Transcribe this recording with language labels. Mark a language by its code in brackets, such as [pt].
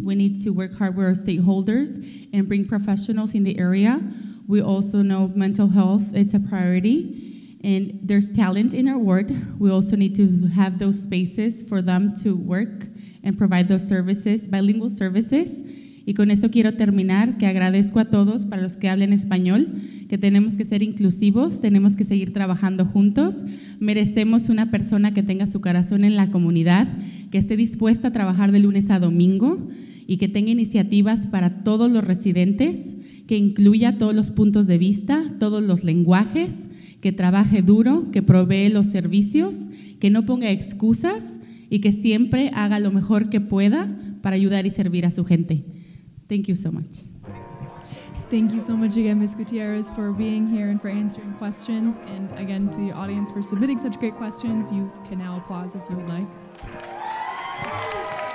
[en] We need to work hard with our stakeholders and bring professionals in the area. We also know mental health, it's a priority, and there's talent in our ward. We also need to have those spaces for them to work and provide those services, bilingual services. [es] Y con eso quiero terminar, que agradezco a todos, para los que hablen español, que tenemos que ser inclusivos, tenemos que seguir trabajando juntos. Merecemos una persona que tenga su corazón en la comunidad, que esté dispuesta a trabajar de lunes a domingo y que tenga iniciativas para todos los residentes, que incluya todos los puntos de vista, todos los lenguajes, que trabaje duro, que provee los servicios, que no ponga excusas y que siempre haga lo mejor que pueda para ayudar y servir a su gente. [en] Thank you so much. Thank you so much again, Ms. Gutierrez, for being here and for answering questions. And again, to the audience for submitting such great questions. You can now applause if you would like.